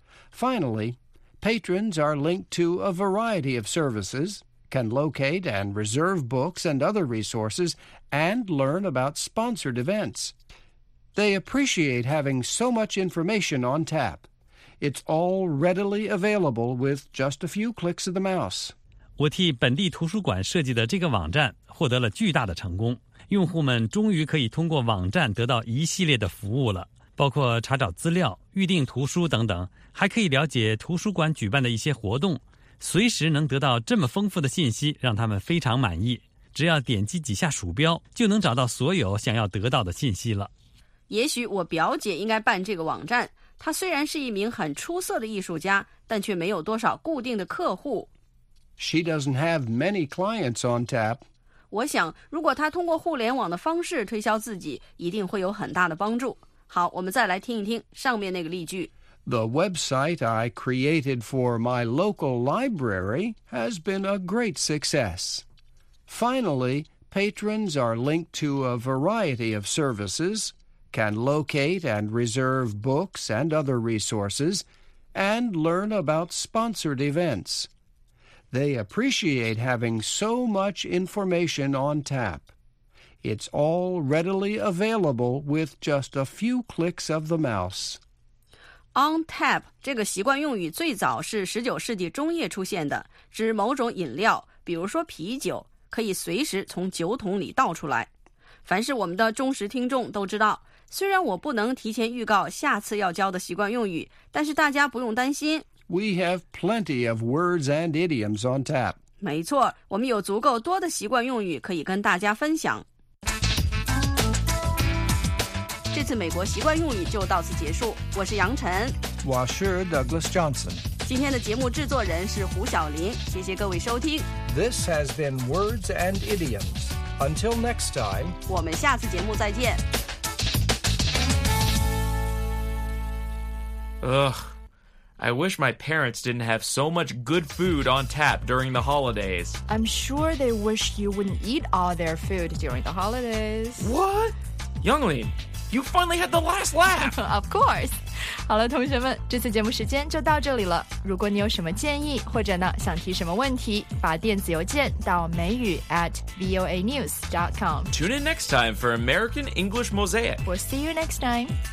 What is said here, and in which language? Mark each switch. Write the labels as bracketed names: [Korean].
[English] Finally, patrons are linked to a variety of services, can locate and reserve books and other resources, and learn about sponsored events. They appreciate having so much information on tap. It's all readily available with just a few clicks of the mouse. [Chinese] 我替本地图书馆设计的这个网站获得了巨大的成功。用户们终于可以通过网站得到一系列的服务了，包括查找资料、预订图书等等，还可以了解图书馆举办的一些活动。随时能得到这么丰富的信息，让他们非常满意。只要点击几下鼠标，就能找到所有想要得到的信息了。也许我表姐应该办这个网站，她虽然是一名很出色的艺术家，但却没有多少固定的客户。 [English] She doesn't have many clients on tap. [Chinese] 我想，如果她通过互联网的方式推销自己，一定会有很大的帮助。好，我们再来听一听上面那个例句。 [English] The website I created for my local library has been a great success. Finally, patrons are linked to a variety of services. Can locate and reserve books and other resources, and learn about sponsored events. They appreciate having so much information on tap. It's all readily available with just a few clicks of the mouse. [Chinese] On tap 这个习惯用语最早是19世纪中叶出现的，指某种饮料，比如说啤酒，可以随时从酒桶里倒出来。凡是我们的忠实听众都知道。虽然我不能提前预告下次要教的习惯用语，但是大家不用担心。 [English] We have plenty of words and idioms on tap. [Chinese] 没错，我们有足够多的习惯用语可以跟大家分享。这次美国习惯用语就到此结束，我是杨晨。我是 Douglas Johnson。今天的节目制作人是胡晓林，谢谢各位收听。 [English] This has been Words and Idioms. Until next time. [Chinese] 我们下次节目再见。 [English] Ugh, I wish my parents didn't have so much good food on tap during the holidays. I'm sure they wish you wouldn't eat all their food during the holidays. What? Younglin, you finally had the last laugh! Of course! [Chinese] 好了，同学们，这次节目时间就到这里了。如果你有什么建议，或者呢，想提什么问题，把电子邮件到美语@voanews.com. [English] Tune in next time for American English Mosaic. We'll see you next time.